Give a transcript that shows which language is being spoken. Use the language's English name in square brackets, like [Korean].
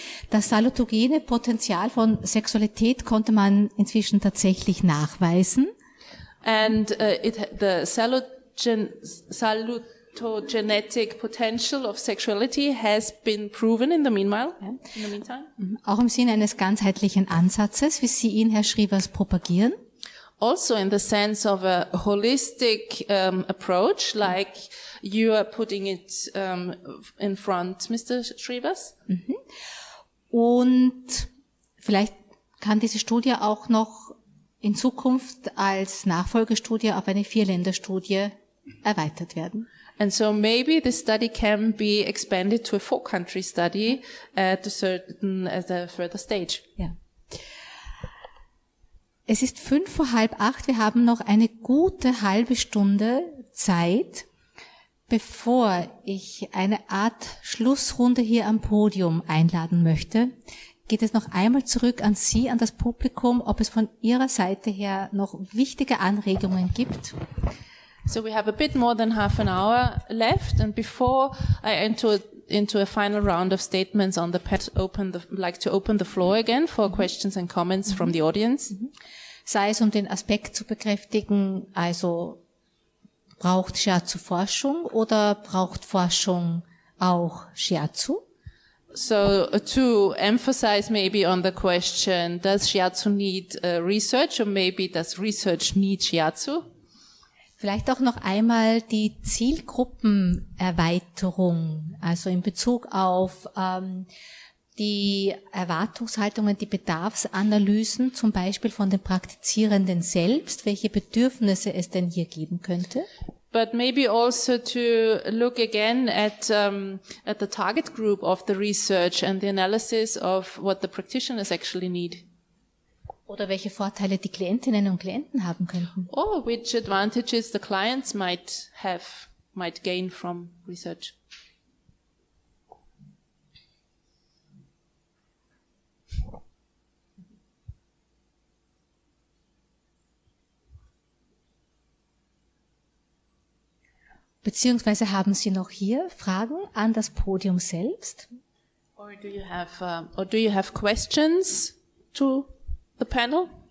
[German] Das salutogene Potenzial von Sexualität konnte man inzwischen tatsächlich nachweisen. [English] And the salutogenetic potential of sexuality has been proven in the meanwhile. [German] Auch im Sinne eines ganzheitlichen Ansatzes, wie Sie ihn, Herr Schrievers, propagieren. [English] Also in the sense of a holistic approach, like you are putting it in front, Mr. Schrievers. [German] Und vielleicht kann diese Studie auch noch in Zukunft als Nachfolgestudie auf eine Vierländerstudie erweitert werden. [English] And so maybe this study can be expanded to a four-country study at a further stage. Yeah. [German] Es ist 7:55, wir haben noch eine gute halbe Stunde Zeit, bevor ich eine Art Schlussrunde hier am Podium einladen möchte. Geht es noch einmal zurück an Sie, an das Publikum, ob es von Ihrer Seite her noch wichtige Anregungen gibt? [English] So we have a bit more than half an hour left, and before I enter into a final round of statements on the panel, like to open the floor again for questions and comments from the audience. [German] Sei es um den Aspekt zu bekräftigen, also braucht Shiatsu Forschung oder braucht Forschung auch Shiatsu? [English] So to emphasize maybe on the question, does Shiatsu need research or maybe does research need Shiatsu? [German] Vielleicht auch noch einmal die Zielgruppenerweiterung, also in Bezug auf die Erwartungshaltungen, die Bedarfsanalysen, zum Beispiel von den Praktizierenden selbst, welche Bedürfnisse es denn hier geben könnte. [English] But maybe also to look again at the target group of the research and the analysis of what the practitioners actually need. [German] Oder welche Vorteile die Klientinnen und Klienten haben könnten. [English] Oh, which advantages the clients might gain from research. [German] Beziehungsweise haben Sie noch hier Fragen an das Podium selbst? [English] Or do you have questions to the panel?